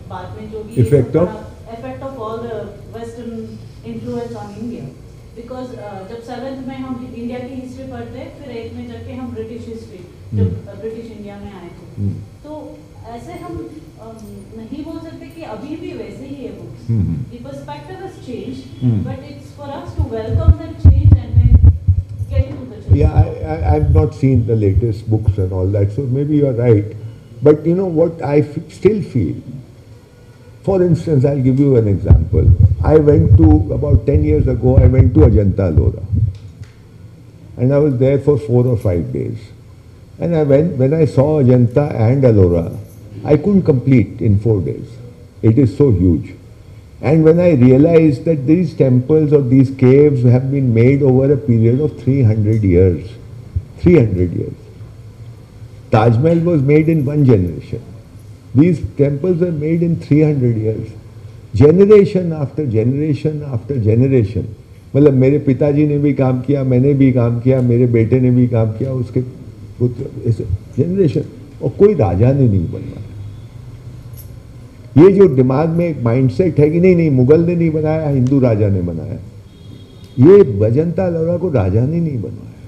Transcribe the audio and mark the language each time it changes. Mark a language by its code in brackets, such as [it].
[hi] Baad mein jo bhi [en] effect of all the western influence on India, because [hi] जब seventh में हम India की history पढ़ते हैं, फिर eighth में जाके हम ब्रिटिश हिस्ट्री, जब ब्रिटिश इंडिया में आए थे, तो ऐसे हम नहीं बोल सकते कि अभी भी वैसे ही है books. [en] The perspective has changed, but it's for us to welcome that change and then get into the change. Yeah, I've not seen the latest books and all that, so maybe you are right, but you know what I still feel. For instance, I'll give you an example. I went to, about 10 years ago, I went to Ajanta Ellora. And I was there for 4 or 5 days. And I went, when I saw Ajanta and Ellora, I couldn't complete in 4 days. It is so huge. And when I realized that these temples or these caves have been made over a period of 300 years. 300 years. Taj Mahal was made in one generation. These temples were made in 300 years, generation after generation after generation. [hi] मतलब मेरे पिताजी ने भी काम किया, मैंने भी काम किया, मेरे बेटे ने भी काम किया, उसके पुत्र, ऐसे generation. और कोई राजा ने नहीं बनवाया. ये जो दिमाग में एक माइंडसेट है कि नहीं नहीं मुगल ने नहीं बनाया, हिंदू राजा ने बनाया, ये अजंता एलोरा को राजा ने नहीं बनवाया.